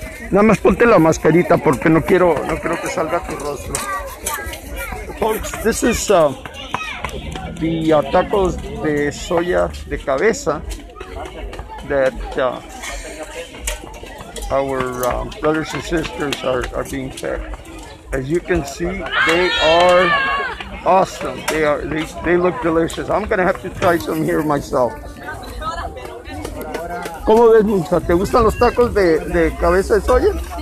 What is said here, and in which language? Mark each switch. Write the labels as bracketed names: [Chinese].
[Spanish] Nada más ponte la mascarita porque no quiero, no quiero que salga tu rostro. [English] Folks, this is the tacos de soya de cabeza that our brothers and sisters are being fed. As you can see, they are awesome. They are, they look delicious. I'm gonna have to try some here myself. [Spanish] ¿Cómo ves, Musa? ¿Te gustan los tacos de cabeza de soya?